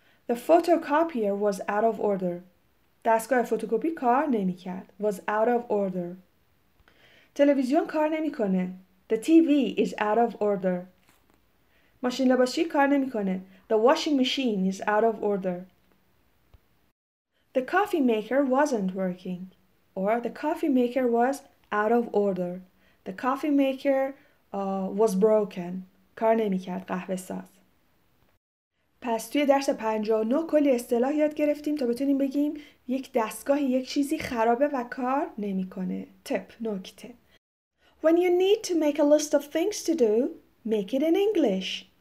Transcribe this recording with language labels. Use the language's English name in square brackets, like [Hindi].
[English] The photocopier was out of order. [Persian] دستگاه فتوکپی کار نمی کرد. [English] Was out of order. [Persian] تلویزیون کار نمی کنه. [English] The TV is out of order. [Persian] ماشین لباسشویی کار نمی کنه. [English] The washing machine is out of order. The coffee maker wasn't working, or the coffee maker was out of order. The coffee maker was broken. [Persian] کار نمی کرد قهوه ساز. پس توی درس 59 کلی اصطلاح یاد گرفتیم تا بتونیم بگیم یک دستگاه یک چیزی خرابه و کار نمی کنه. تپ نکته. [English] When you need to make a list of things to do, make it in English.